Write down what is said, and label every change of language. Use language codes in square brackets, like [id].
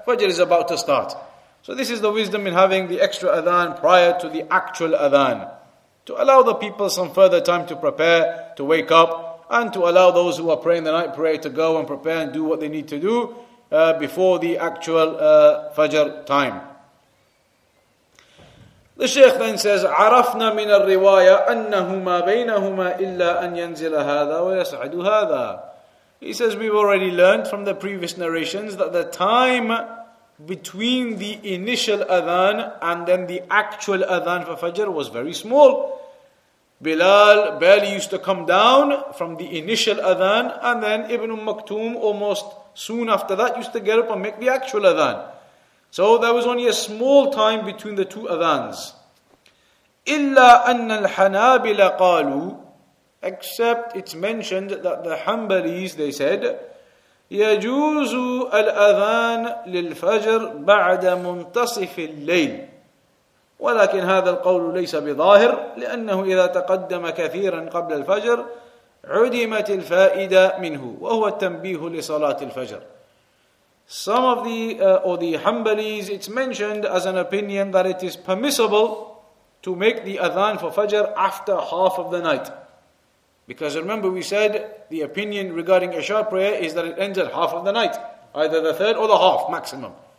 [en] Fajr is about to start. So this is the wisdom in having the extra adhan prior to the actual adhan, to allow the people some further time to prepare, to wake up, and to allow those who are praying the night prayer to go and prepare and do what they need to do before the actual Fajr time. The Shaykh then says, [ar] عَرَفْنَا مِنَ الرِّوَايَةِ أَنَّهُمَا بَيْنَهُمَا إِلَّا أَنْ يَنْزِلَ هَذَا وَيَسْعَدُ هَذَا. [en] He says, we've already learned from the previous narrations that the time between the initial adhan and then the actual adhan for Fajr was very small. Bilal barely used to come down from the initial adhan, and then Ibn Maktoum almost soon after that used to get up and make the actual adhan. So there was only a small time between the two adhans. [ar] إِلَّا أَنَّ الْحَنَابِلَ قَالُوا. [en] Except it's mentioned that the Hanbalis, they said, [ar] يَجُوزُ الْأَذَانَ لِلْفَجْرِ بَعْدَ مُنْتَصِفِ اللَّيْلِ وَلَكِنْ هَذَا الْقَوْلُ لَيْسَ بِظَاهِرٍ لِأَنَّهُ إِذَا تَقَدَّمَ كَثِيرًا قَبْلَ الْفَجْرِ عُدِمَتِ الْفَائِدَةِ مِنْهُ وَهُوَ التَّنْبِيهُ لِصَلَاةِ الْفَجْرِ. [en] Some of the Hanbalis, it's mentioned as an opinion that it is permissible to make the adhan for Fajr after half of the night. Because remember we said the opinion regarding Isha prayer is that it ends at half of the night, either the third or the half maximum.